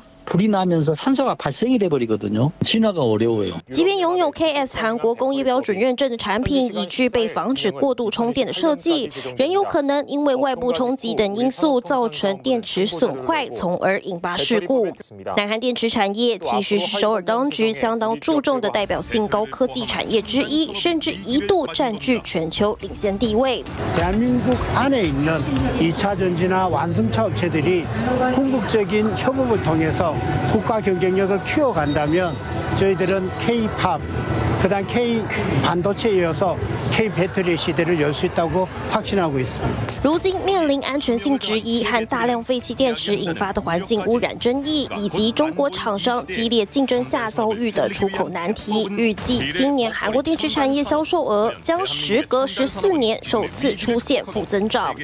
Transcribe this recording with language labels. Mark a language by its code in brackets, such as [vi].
[ko] 불이 나면서 산소가 발생이 돼버리거든요. 진화가 어려워요. [zh] 即便拥有 KS 韩国工业标准认证的产品，已具备防止过度充电的设计，仍有可能因为外部冲击等因素造成电池损坏，从而引发事故。南韩电池产业其实是首尔当局相当注重的代表性高科技产业之一，甚至一度占据全球领先地位。 [ko] 대한민국안에있는이차전지나완성차업체들이궁극적인협업을통해서국가경쟁력을키워간다면저희들은 K-POP 그다음 K-반도체에이어서 K-배터리 시대를열수있다고확신하고있습니다 [zh] 如今面临安全性质疑和大量废弃电池引发的环境污染争议，以及中国厂商激烈竞争下遭遇的出口难题，预计今年韩国电池产业销售额将时隔14年首次出现负增长。